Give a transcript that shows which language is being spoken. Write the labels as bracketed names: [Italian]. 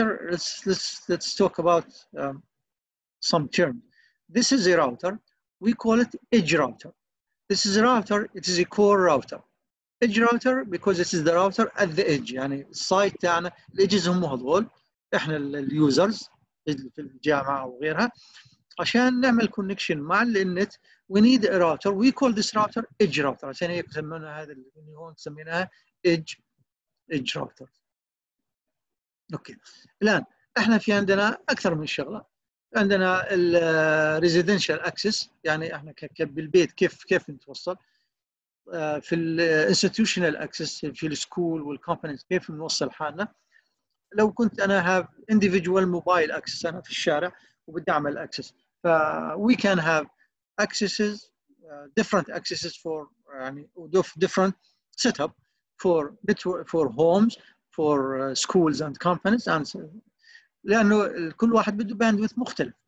[English] Let's talk about some terms. This is a router. We call it edge router. This is a router. It is a core router. Edge router because this is the router at the edge. [Arabic] يعني site تاعنا الإجهزة هم هذول. إحنا اليوزرز في الجامعة وغيرها. عشان نعمل connection مع النت, we need a router. [English] We call this router edge router. [Arabic] عشان هيك سمينا هذا اللي هون سميناها edge router. أوكي. الآن إحنا في عندنا أكثر من شغلة. عندنا ال residential access, يعني احنا بالبيت كيف نتوصل. في ال institutional access في ال school وال companies كيف نوصل حالنا. [English] لو كنت انا have individual mobile access انا في الشارع وبدي اعمل access, ف we can have accesses, different accesses for يعني different setup for network, for homes, for schools and companies and so, لانه كل واحد بده باندويث مختلف.